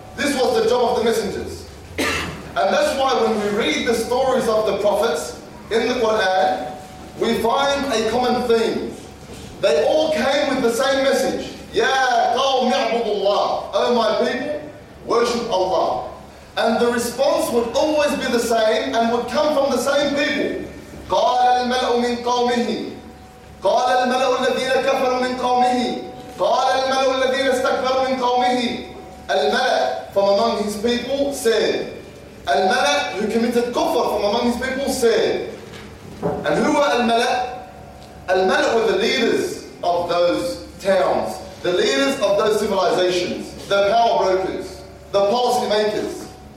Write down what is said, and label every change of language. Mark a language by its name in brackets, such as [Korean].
[English] This was the job of the messengers. And that's why when we read the stories of the prophets in the Quran, we find a common theme. They all came with the same message. [Arabic] Ya qawm ya'budullah, [English] O my people, worship Allah. And the response would always be the same and would come from the same people. [Arabic] قَالَ الْمَلَأُ مِنْ قَوْمِهِ قَالَ الْمَلَأُ الَّذِينَ كَفَرُوا مِنْ قَوْمِهِ قَالَ الْمَلَأُ الَّذِينَ اسْتَكْبَرُوا مِنْ قَوْمِهِ الْمَلَأُ [English] from among his people said. الْمَلَأُ who committed kufr from among his people said. And who were الْمَلَأُ? الْمَلَأُ were the leaders of those towns, the leaders of those civilizations, the power brokers, the policy makers.